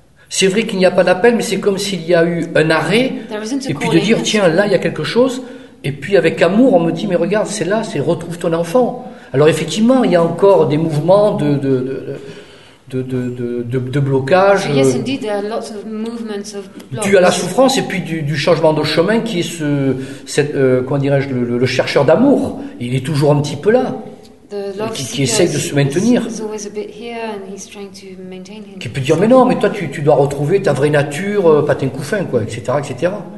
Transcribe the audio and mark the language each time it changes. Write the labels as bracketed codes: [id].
[fr] C'est vrai qu'il n'y a pas d'appel, mais c'est comme s'il y a eu un arrêt et puis de dire, tiens, là, il y a quelque chose. Et puis avec amour, on me dit, mais regarde, c'est là, c'est retrouve ton enfant. Alors effectivement, il y a encore des mouvements de blocage, [en] so yes, indeed, there are lots of movements of blocks. [fr] Dû à la souffrance et puis du changement de chemin qui est le chercheur d'amour. Il est toujours un petit peu là, qui essaye de se maintenir. Qui peut dire, mais non, mais toi, tu dois retrouver ta vraie nature, pas tes couffins, quoi, etc., etc.